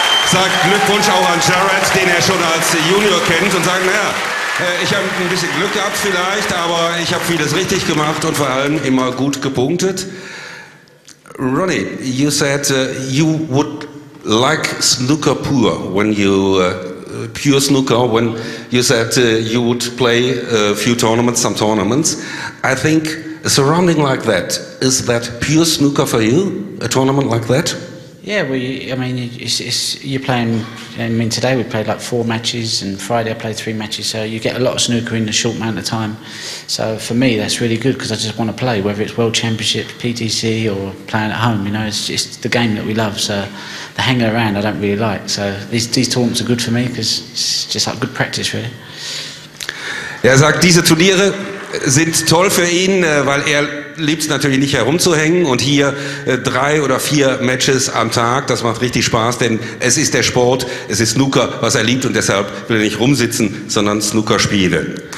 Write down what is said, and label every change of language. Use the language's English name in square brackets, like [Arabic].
[German] Sagt Glückwunsch auch an Gerard, den schon als Junior kennt, und sagen, naja, ich habe ein bisschen Glück gehabt vielleicht, aber ich habe vieles richtig gemacht und vor allem immer gut gepunktet. [English] Ronnie, you said you would like snooker pur, when you pure snooker, when you said you would play a few tournaments, some tournaments. I think a surrounding like that, is that pure snooker for you, a tournament like that? Yeah, you're playing, I mean, today we played like 4 matches and Friday I played 3 matches, so you get a lot of snooker in a short amount of time. So for me, that's really good because I just want to play, whether it's World Championship, PTC or playing at home, you know, it's the game that we love, so the hanging around I don't really like. So these tournaments are good for me because it's just like good practice, really. [German] Er sagt, diese Turniere sind toll für ihn, weil er liebt es natürlich nicht herumzuhängen, und hier 3 oder 4 Matches am Tag, das macht richtig Spaß, denn es ist der Sport, es ist Snooker, was er liebt, und deshalb will er nicht rumsitzen, sondern Snooker spielen.